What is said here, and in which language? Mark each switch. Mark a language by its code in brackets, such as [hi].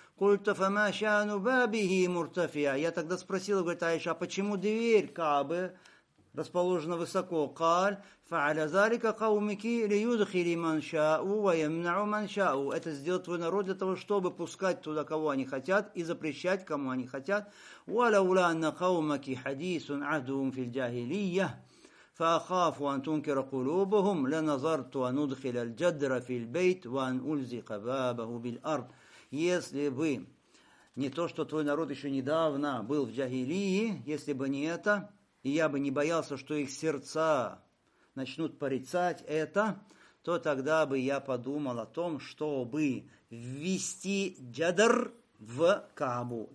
[ar] Культа фама шану бабихи муртафия. [ru] Я тогда спросил, говорит, Айша, а почему дверь Каабы расположена высоко? [ar] Каль фааля залика каумики льюдхили ман шау ва ямнау ман шау. [ru] Это сделал твой народ для того, чтобы пускать туда, кого они хотят, и запрещать, кому они хотят. [ar] Ва лаула анна каумаки хадисун ахдуум фил джахилия. فأخافوا أن تنكر قلوبهم لنظرت أن أدخل الجدر في البيت وأن ألزق بابه بالأرض. [ru] Если бы не то, что твой народ еще недавно был в джахилии, если бы не это, и я бы не боялся, что их сердца начнут порицать это, то тогда бы я подумал о том, чтобы ввести джадр в Каабу.